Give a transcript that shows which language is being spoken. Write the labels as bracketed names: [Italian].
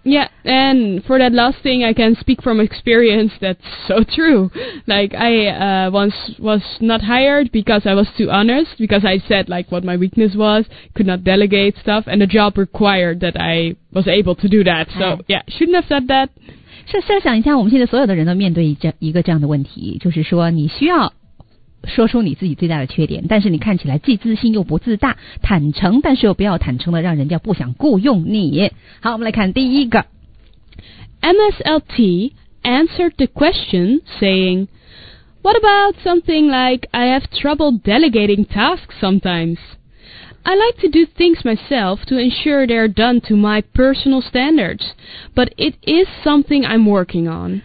[English] Yeah, and for that last thing I can speak from experience, that's so true. Like I once was not hired because I was too honest, because I said like what my weakness was, could not delegate stuff, and the job required that I was able to do that. So yeah, shouldn't have said that. [Chinese] 设想一下我们现在所有的人都面对一个这样的问题，就是说你需要说出你自己最大的缺点，但是你看起来既自信又不自大，坦诚但是又不要坦诚的让人家不想雇佣你。好，我们来看第一个。 [English] MSLT answered the question saying, What about something like I have trouble delegating tasks sometimes? I like to do things myself to ensure they are done to my personal standards, but it is something I'm working on.